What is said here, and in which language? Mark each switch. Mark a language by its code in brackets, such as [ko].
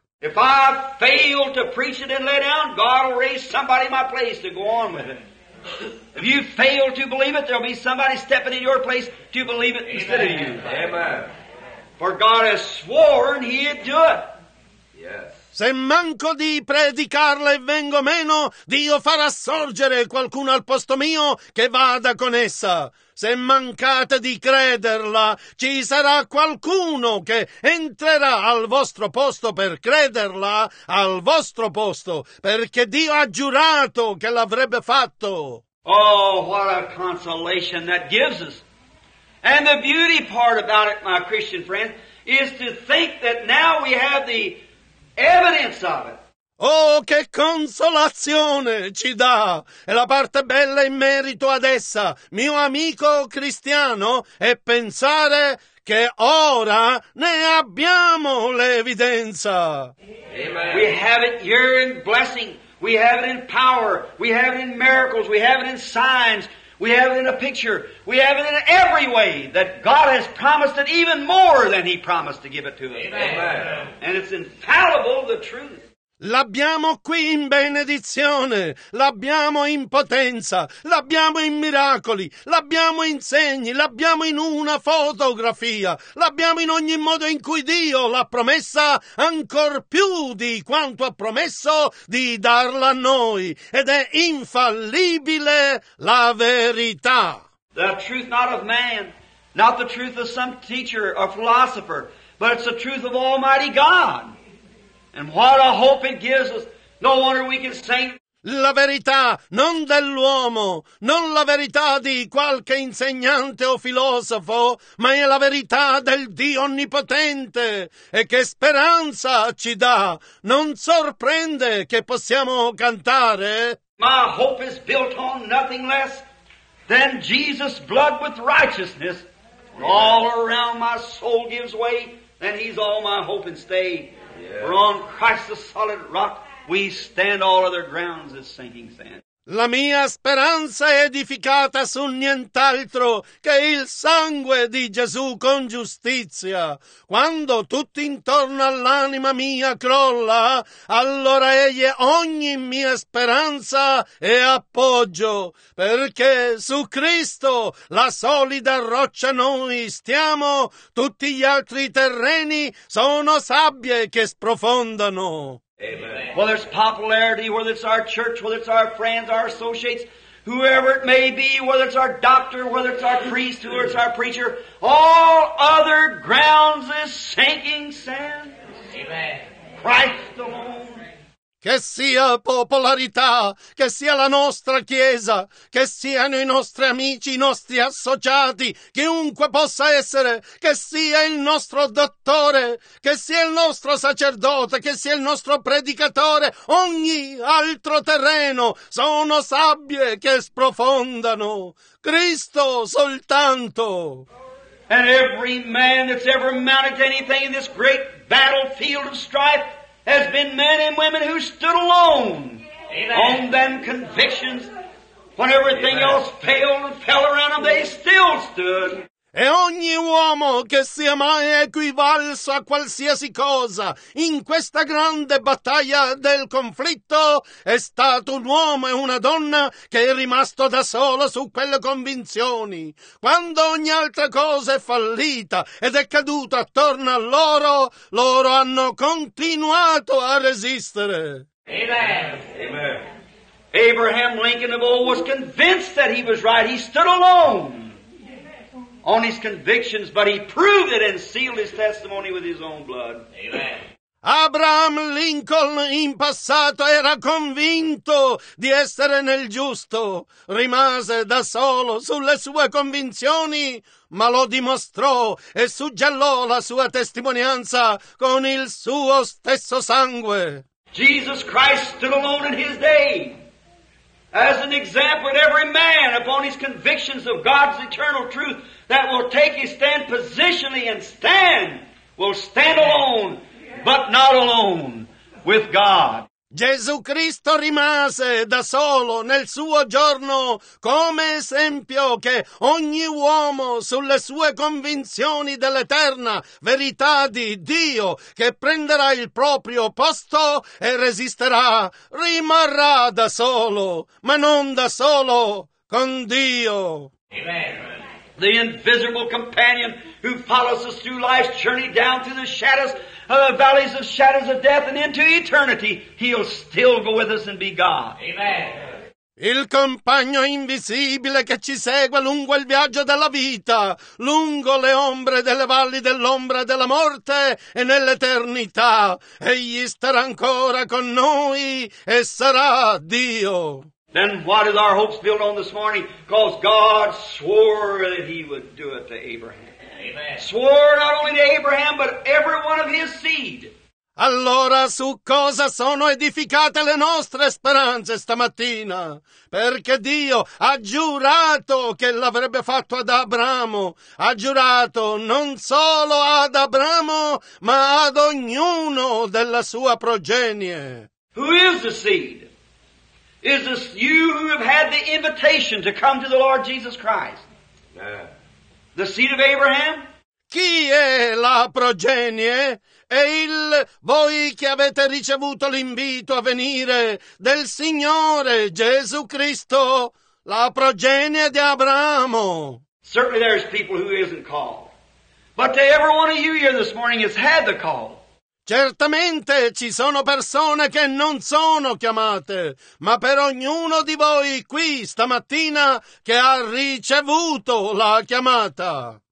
[en] If I fail to preach it and lay down, God will raise somebody in my place to go on with it. If you fail to believe it, there'll be somebody stepping in your place to believe it. Amen. Instead of you. Amen. For God has sworn he'd do it. Yes. [it] Se manco di predicarla e vengo meno, Dio farà sorgere qualcuno al posto mio che vada con essa. Se mancate di crederla, ci sarà qualcuno che entrerà al vostro posto per crederla al vostro posto, perché Dio ha giurato che l'avrebbe fatto. [en] Oh, what a consolation that gives us. And the beauty part about it, my Christian friend, is to think that now we have the evidence of it. [it] Oh, che consolazione ci dà! E la parte bella in merito ad essa, mio amico cristiano, è pensare che ora ne abbiamo l'evidenza. [en] Amen. We have it here in blessing. We have it in power. We have it in miracles. We have it in signs. We have it in a picture. We have it in every way that God has promised it even more than he promised to give it to us. Amen. And it's infallible, the truth. [it] L'abbiamo qui in benedizione, l'abbiamo in potenza, l'abbiamo in miracoli, l'abbiamo in segni, l'abbiamo in una fotografia, l'abbiamo in ogni modo in cui Dio l'ha promessa ancor più di quanto ha promesso di darla a noi. Ed è infallibile la verità. [en] The truth not of man, not the truth of some teacher or philosopher, but it's the truth of Almighty God. And what a hope it gives us. No wonder we can sing. [it] La verità non dell'uomo, non la verità di qualche insegnante o filosofo, ma è la verità del Dio Onnipotente. E che speranza ci dà! Non sorprende che possiamo cantare. [en] My hope is built on nothing less than Jesus' blood with righteousness. When all around my soul gives way, then he's all my hope and stay. Yeah. For on Christ the solid rock we stand, all other grounds is sinking sand. [it] La mia speranza è edificata su nient'altro che il sangue di Gesù con giustizia. Quando tutto intorno all'anima mia crolla, allora egli è ogni mia speranza e appoggio, perché su Cristo, la solida roccia, noi stiamo, tutti gli altri terreni sono sabbie che sprofondano. [en] Amen. Whether it's popularity, whether it's our church, whether it's our friends, our associates, whoever it may be, whether it's our doctor, whether it's our priest, whether it's our preacher, all other grounds is sinking sand. Amen. Christ alone. [it] Che sia popolarità, che sia la nostra chiesa, che siano i nostri amici, i nostri associati, chiunque possa essere, che sia il nostro dottore, che sia il nostro sacerdote, che sia il nostro predicatore, ogni altro terreno sono sabbie che sprofondano. Cristo soltanto. [en] And every man that's ever mounted anything in this great battlefield of strife There's been men and women who stood alone on them convictions. When everything else failed and fell around them, they still stood. [it] E ogni uomo che sia mai equivalso a qualsiasi cosa in questa grande battaglia del conflitto è stato un uomo e una donna che è rimasto da solo su quelle convinzioni. Quando ogni altra cosa è fallita ed è caduta attorno a loro, loro hanno continuato a resistere. [en] Amen. Abraham Lincoln of old was convinced that he was right. He stood alone on his convictions, but he proved it and sealed his testimony with his own blood. Amen. [it] Abraham Lincoln in passato era convinto di essere nel giusto. Rimase da solo sulle sue convinzioni, ma lo dimostrò e suggellò la sua testimonianza con il suo stesso sangue. [en] Jesus Christ stood alone in his day as an example to every man upon his convictions of God's eternal truth. That will take his stand positionally and stand, will stand alone, but not alone, with God. [it] Gesù Cristo rimase da solo nel suo giorno come esempio che ogni uomo sulle sue convinzioni dell'eterna verità di Dio che prenderà il proprio posto e resisterà, rimarrà da solo, ma non da solo, con Dio. [en] Amen. The invisible companion who follows us through life's journey down through the shadows of the valleys of shadows of death and into eternity, he'll still go with us and be God. Amen. [it] Il compagno invisibile che ci segue lungo il viaggio della vita, lungo le ombre delle valli dell'ombra della morte e nell'eternità, egli starà ancora con noi e sarà Dio. [en] Then what is our hopes built on this morning? Because God swore that he would do it to Abraham. Amen. Swore not only to Abraham, but every one of his seed. [it] Allora su cosa sono edificate le nostre speranze stamattina? Perché Dio ha giurato che l'avrebbe fatto ad Abramo. Ha giurato non solo ad Abramo, ma ad ognuno della sua progenie. [en] Who is the seed? Is this you who have had the invitation to come to the Lord Jesus Christ? The seed of Abraham? [it] Chi è la progenie? È il voi che avete ricevuto l'invito a venire del Signore Gesù Cristo, la progenie di Abramo. [en] Certainly there's people who isn't called. But to every one of you here this morning has had the call. [it] Certamente ci sono persone che non sono chiamate, ma per ognuno di voi qui stamattina che ha ricevuto la chiamata.